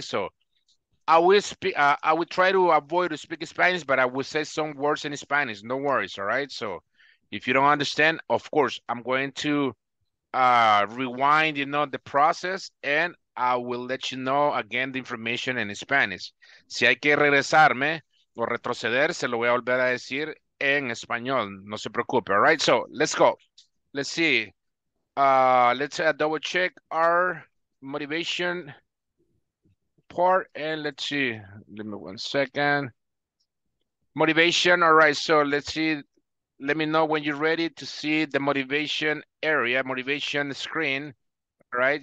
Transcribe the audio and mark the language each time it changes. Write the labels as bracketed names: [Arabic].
[English] So I will try to avoid speaking Spanish, but I will say some words in Spanish. No worries, all right? So if you don't understand, of course, I'm going to rewind, the process, and I will let you know again the information in Spanish. [Spanish] Si hay que regresarme o retroceder, se lo voy a volver a decir en español. No se preocupe, [English] all right? So let's go. Let's see. Let's double check our motivation part, and let's see, give me 1 second. Motivation, all right, so let's see, let me know when you're ready to see the motivation area, motivation screen, all right?